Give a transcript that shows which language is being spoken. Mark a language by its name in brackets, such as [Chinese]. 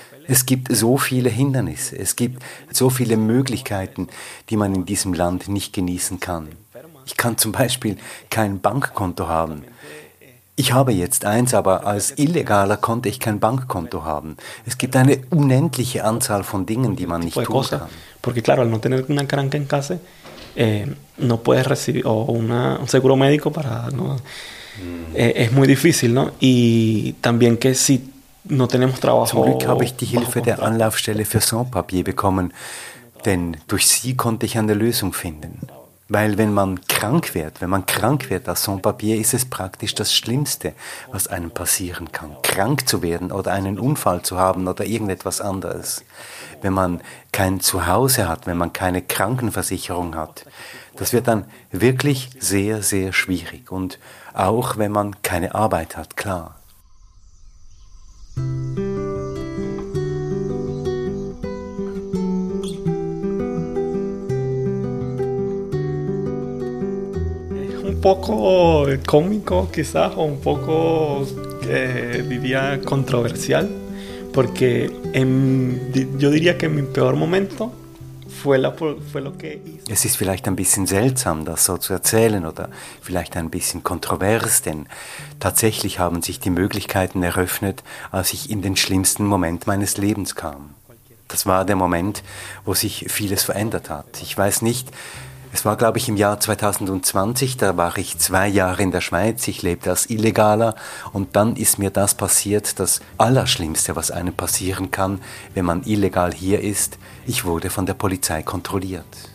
[German] Es gibt so viele Hindernisse, es gibt so viele Möglichkeiten, die man in diesem Land nicht genießen kann. Ich kann zum Beispiel kein Bankkonto haben. Ich habe jetzt eins, aber als Illegaler konnte ich kein Bankkonto haben. Es gibt eine unendliche Anzahl von Dingen, die man nicht tun kann. [Spanish] Porque claro, al no tener una [German] kranke [Spanish] en casa, no puedes recibir o una un seguro médico para, ¿no? Es muy difícil, ¿no? Y también que si no tenemos trabajo. [German] Zum Glück habe ich die Hilfe der Anlaufstelle für Sans-Papier bekommen, denn durch sie konnte ich eine Lösung finden. Weil wenn man krank wird als Sans-Papier, ist es praktisch das Schlimmste, was einem passieren kann. Krank zu werden oder einen Unfall zu haben oder irgendetwas anderes. Wenn man kein Zuhause hat, wenn man keine Krankenversicherung hat, das wird dann wirklich sehr, sehr schwierig. Und auch wenn man keine Arbeit hat, klar. [Spanish] Un poco cómico quizás o un poco diría controversial porque yo diría que mi peor momento fue lo que hice. [German] Es ist vielleicht ein bisschen seltsam, das so zu erzählen oder vielleicht ein bisschen kontrovers, denn tatsächlich haben sich die Möglichkeiten eröffnet, als ich in den schlimmsten Moment meines Lebens kam. Das war der Moment, wo sich vieles verändert hat. Ich weiß nicht, es war, glaube ich, im Jahr 2020, da war ich 2 Jahre in der Schweiz, ich lebte als Illegaler und dann ist mir das passiert, das Allerschlimmste, was einem passieren kann, wenn man illegal hier ist, ich wurde von der Polizei kontrolliert.